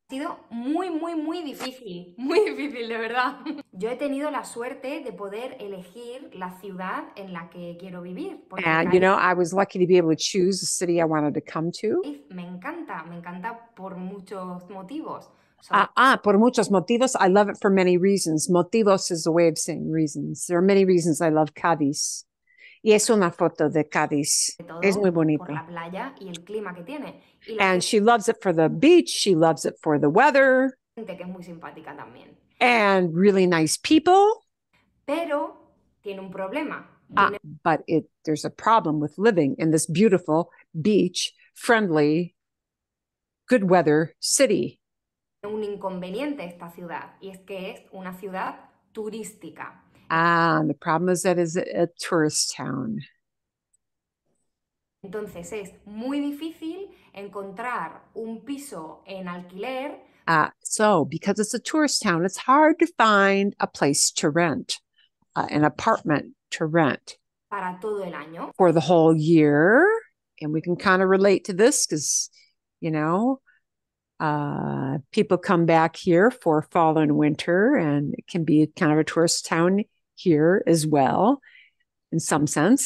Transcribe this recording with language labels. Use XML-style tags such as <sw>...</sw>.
<es>Ha sido muy, muy, muy difícil, de verdad. Yo he tenido la suerte de poder elegir la ciudad en la que quiero vivir.</es> <en>And, you know, I was lucky to be able to choose the city I wanted to come to.</en> <es>Me encanta por muchos motivos. Por muchos motivos.</es> <en>I love it for many reasons. Motivos is a way of saying reasons. There are many reasons I love Cádiz.</en> <es>Y es una foto de Cádiz. Es muy bonita. Por la playa y el clima que tiene.</es> <en>And she loves it for the beach. She loves it for the weather.</en> <es>Gente que es muy simpática también.</es> <en>And really nice people.</en> <es>Pero tiene un problema.</es> <en>There's a problem with living in this beautiful, beach, friendly, good weather city.</en> <es>Un inconveniente esta ciudad. Y es que es una ciudad turística.</es> <en>The problem is that it's a tourist town.</en> <es>Entonces es muy difícil encontrar un piso en alquiler.</es> <en>Because it's a tourist town, it's hard to find a place to rent, an apartment to rent.</en> <es>Para todo el año.</es> <en>For the whole year. And we can kind of relate to this because, you know, people come back here for fall and winter, and it can be kind of a tourist town here as well, in some sense.</en>